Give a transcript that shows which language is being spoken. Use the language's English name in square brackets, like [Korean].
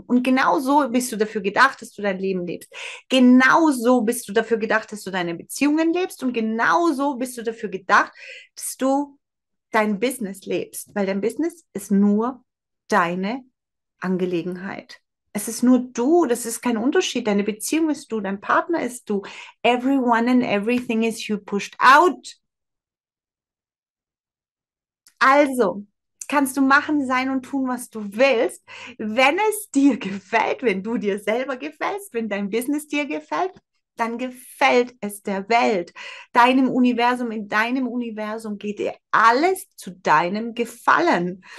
[German] Und genau so bist du dafür gedacht, dass du dein Leben lebst. Genau so bist du dafür gedacht, dass du deine Beziehungen lebst. Und genau so bist du dafür gedacht, dass du dein Business lebst. Weil dein Business ist nur deine Angelegenheit. Es ist nur du, das ist kein Unterschied. Deine Beziehung ist du, dein Partner ist du. [English] Everyone and everything is you pushed out. [German] Also kannst du machen, sein und tun, was du willst, wenn es dir gefällt, wenn du dir selber gefällst, wenn dein Business dir gefällt, dann gefällt es der Welt, deinem Universum. In deinem Universum geht dir alles zu deinem Gefallen.